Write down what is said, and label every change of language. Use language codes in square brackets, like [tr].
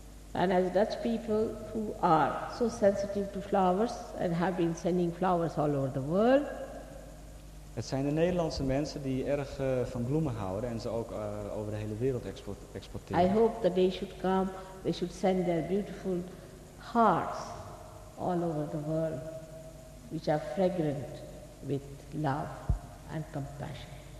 [en] And as Dutch people who are so sensitive to flowers and have been sending flowers all over the world. [nl] Het zijn de Nederlandse mensen die erg van bloemen houden en ze ook over de hele wereld exporteren. [en] I hope the day should come, they should send their beautiful hearts all over the world which are fragrant with love and compassion.